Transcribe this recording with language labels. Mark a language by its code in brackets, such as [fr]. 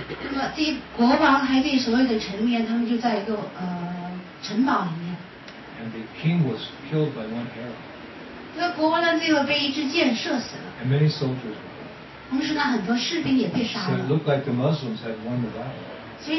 [zh] 那么这国王还对所有的臣民，他们就在一个城堡里面。 [en] And the king was killed by one arrow. [zh] 这国王呢，最后被一支箭射死了。 [en] And many soldiers. [zh] 同时呢，很多士兵也被杀了。 [en] So it looked like the Muslims had won the battle.